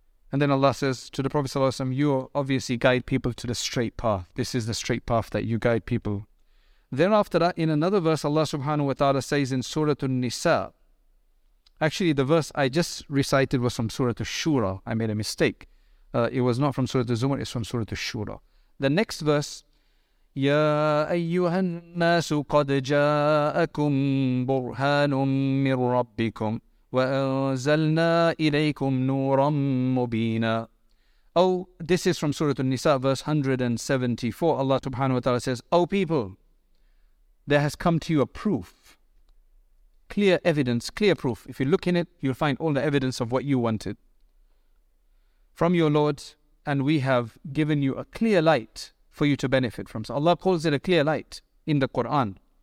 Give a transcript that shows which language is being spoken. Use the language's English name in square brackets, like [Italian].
[English] And then Allah says to the Prophet sallallahu alaihi wasallam, you obviously guide people to the straight path. This is the straight path that you guide people. Thereafter that, in another verse, Allah subhanahu wa ta'ala says in Surah An-Nisa, actually the verse I just recited was from Surah Ash-Shura. I made a mistake. It was not from Surah Az-Zumar, it's from Surah Ash-Shura. The next verse, [Arabic] يَا أَيُّهَا النَّاسُ قَدْ جَاءَكُمْ بُرْهَانٌ مِّن رَبِّكُمْ وَأَنزَلْنَا إِلَيْكُمْ نُورًا مُّبِينًا. [English] Oh, this is from Surah An-Nisa, verse 174. Allah subhanahu wa ta'ala says, oh people, there has come to you a proof, clear evidence, clear proof. If you look in it, you'll find all the evidence of what you wanted from your Lord, and we have given you a clear light for you to benefit from. So Allah calls it a clear light in the Qur'an.